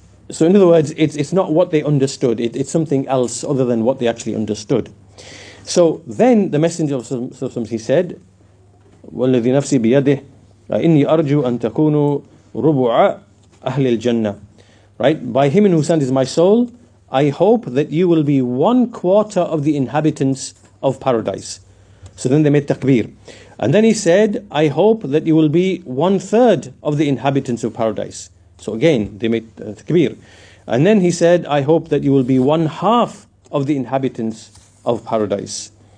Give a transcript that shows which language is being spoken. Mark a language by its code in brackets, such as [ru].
[en] So in other words, it's not what they understood. It's something else other than what they actually understood. So then the Messenger of Allah, he said, [ar] وَالَّذِي نَفْسِي بِيَدِهِ إِنِّي أَرْجُوا أَن تَكُونُوا رُبُعَ أَهْلِ الْجَنَّةِ. [en] Right? By him in whose hand is my soul, I hope that you will be one quarter of the inhabitants of paradise. So then they made takbir. And then he said, I hope that you will be one third of the inhabitants of paradise. So again, they made takbir. And then he said, I hope that you will be one half of the inhabitants of paradise.